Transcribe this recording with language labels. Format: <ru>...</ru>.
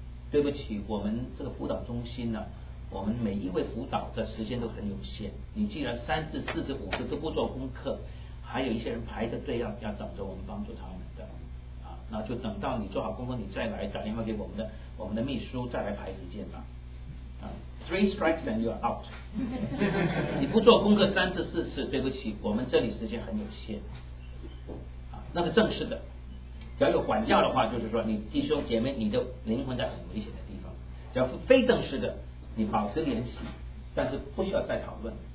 <zh>对不起，我们这个辅导中心呢，我们每一位辅导的时间都很有限，你既然三至四至五次都不做功课，还有一些人排着队要等着我们帮助他们的啊，那就等到你做好功课你再来打电话给我们的秘书再来排时间吧。</zh> <en>啊 ，three strikes and you're out 。</en> <zh>你不做功课三至四次，对不起，我们这里时间很有限。啊，那是正式的。只要有管教的话，就是说你弟兄姐妹，你的灵魂在很危险的地方。只要是非正式的，你保持联系，但是不需要再讨论。</zh>